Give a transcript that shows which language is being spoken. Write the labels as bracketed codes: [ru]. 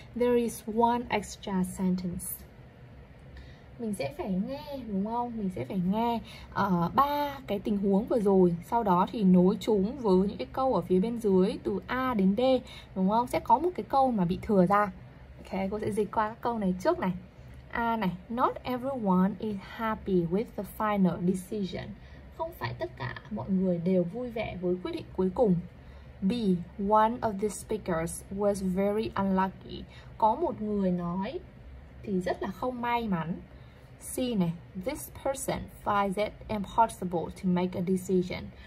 [en] There is one extra sentence. [vi] Mình sẽ phải nghe, đúng không? Mình sẽ phải nghe ba cái tình huống vừa rồi, sau đó thì nối chúng với những cái câu ở phía bên dưới từ A đến D, đúng không? Sẽ có một cái câu mà bị thừa ra. Ok, cô sẽ dịch qua các câu này trước này. A này, [en] not everyone is happy with the final decision. [vi] Không phải tất cả mọi người đều vui vẻ với quyết định cuối cùng. [en] B, one of the speakers was very unlucky. [vi] Có một người nói thì rất là không may mắn. C này, [en] this person finds it impossible to make a decision.